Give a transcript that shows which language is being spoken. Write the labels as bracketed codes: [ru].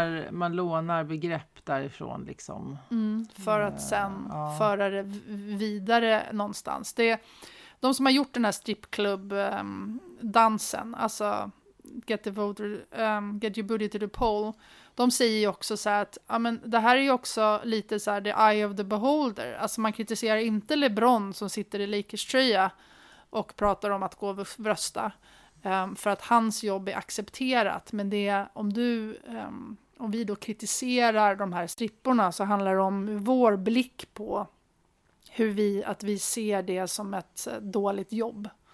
[sv] Man lånar begrepp därifrån liksom. För att sen föra det vidare någonstans. De som har gjort den här strippklubb dansen, alltså [en] get the voter, get your booty to the poll. [sv] De säger ju också så att amen, det här är ju också lite så här [en] the eye of the beholder. [sv] Alltså man kritiserar inte LeBron som sitter i Lakers tröja och pratar om att gå och rösta. För att hans jobb är accepterat. Men det är, om du om vi då kritiserar de här stripporna, så handlar det om vår blick på hur vi, att vi ser det som ett dåligt jobb.